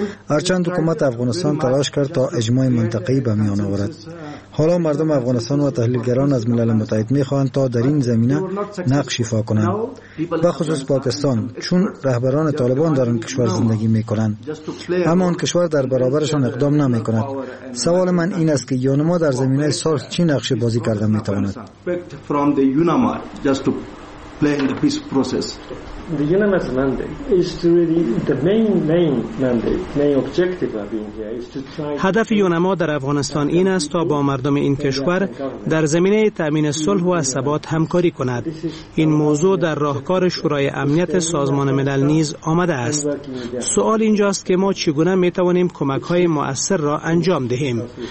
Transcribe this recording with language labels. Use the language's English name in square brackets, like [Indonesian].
[Persian] هرچند حکومت افغانستان تلاش کرد تا اجماع منطقه‌ای به میان آورد، حالا مردم افغانستان و تحلیلگران از ملل متحد می‌خواهند تا در این زمینه نقش ایفا کنند، به خصوص پاکستان، چون رهبران طالبان در آن کشور زندگی می‌کنند. اما آن کشور در برابرشان اقدام نمی‌کند. سوال من این است که یونما در زمینه صلح چه نقش بازی کرده می تواند؟ [English] The UNAMA's mandate is to really the main mandate, main objective of India is to try. [Persian] هدف یونما در افغانستان این است تا با مردم این کشور در زمینه تأمین صلح و ثبات همکاری کند. این موضوع در راهکار شورای امنیت سازمان ملل نیز آمده است. سوال اینجاست که ما چگونه می توانیم کمک های مؤثر را انجام دهیم.